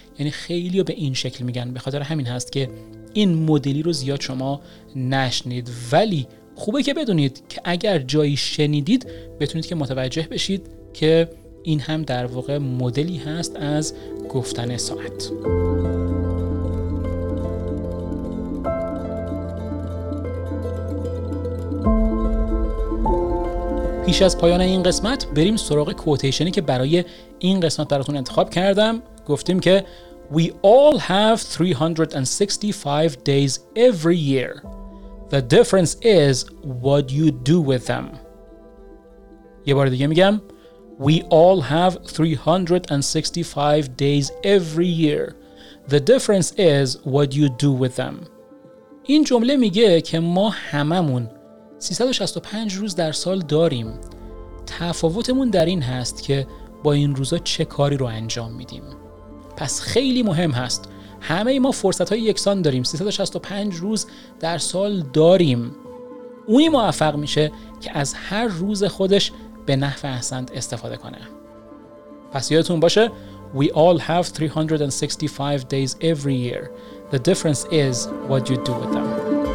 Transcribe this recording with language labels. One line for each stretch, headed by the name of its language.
Persian: یعنی خیلی ها به این شکل میگن. به خاطر همین هست که این مدلی رو زیاد شما نشنید، ولی خوبه که بدونید که اگر جایی شنیدید بتونید که متوجه بشید که این هم در واقع مدلی هست از گفتن ساعت. پیش از پایان این قسمت بریم سراغ کوتیشنی که برای این قسمت براتون انتخاب کردم. گفتیم که
English: We all have 365 days every year. The difference is what you do with them.
Persian: یه بار دیگه میگم
English: We all have 365 days every year. The difference is what you do with them.
Persian: این جمله میگه که ما هممون 365 روز در سال داریم. تفاوتمون در این هست که با این روزا چه کاری رو انجام میدیم. پس خیلی مهم هست. همه ما فرصت‌های یکسان داریم. 365 روز در سال داریم. اونی موفق میشه که از هر روز خودش به نحو احسن استفاده کنه. پس یادتون باشه
English: We all have 365 days every year. The difference is what you do with them.